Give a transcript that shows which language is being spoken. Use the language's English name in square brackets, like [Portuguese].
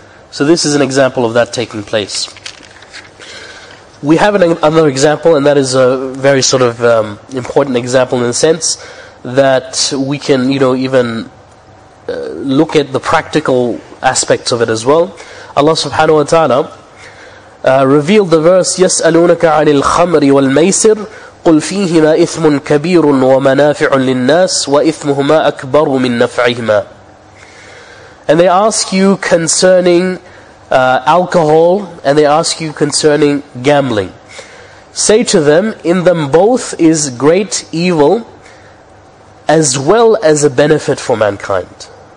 [English] So this is an example of that taking place. We have another example, and that is a very sort of important example in the sense that we can, you know, even look at the practical aspects of it as well. Allah subhanahu wa ta'ala revealed the verse, [Arabic] يَسْأَلُونَكَ عَنِ الْخَمْرِ وَالْمَيْسِرِ قُلْ فِيهِمَا إِثْمٌ كَبِيرٌ وَمَنَافِعٌ لِلنَّاسِ وَإِثْمُهُمَا أَكْبَرُ مِنْ نَفْعِهِمَا. [English] And they ask you concerning alcohol, and they ask you concerning gambling. Say to them, in them both is great evil as well as a benefit for mankind.